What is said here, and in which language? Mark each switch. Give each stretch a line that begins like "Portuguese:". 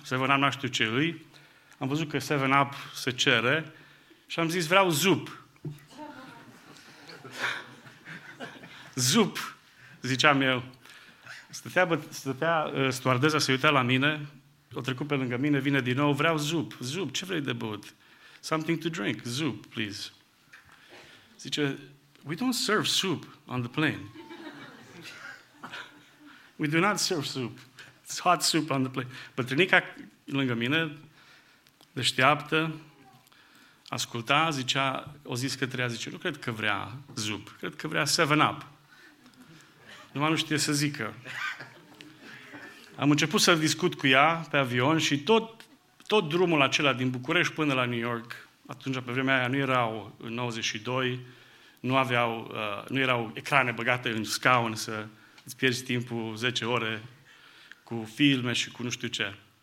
Romanian: 7-Up nu știu ce îi. Am văzut că 7-Up se cere. Și am zis, vreau zup. Zup, ziceam eu. Stătea stoardeza, se uita la mine, o trecut pe lângă mine, vine din nou, vreau zup. Zup, ce vrei de băut?
English: Something to drink,
Romanian: zup, please. Zice,
English: we don't serve soup on the plane. We do not serve soup. It's hot soup on the plane.
Romanian: Bătrânica lângă mine, deșteaptă, asculta, zicea, o zis către ea, zice, nu cred că vrea zup, cred că vrea 7-Up. Numai nu știe să zică. Am început să discut cu ea pe avion și tot drumul acela din București până la New York, atunci pe vremea aia nu erau în 92, nu erau ecrane băgate în scaun să îți pierzi timpul 10 ore cu filme și cu nu știu ce.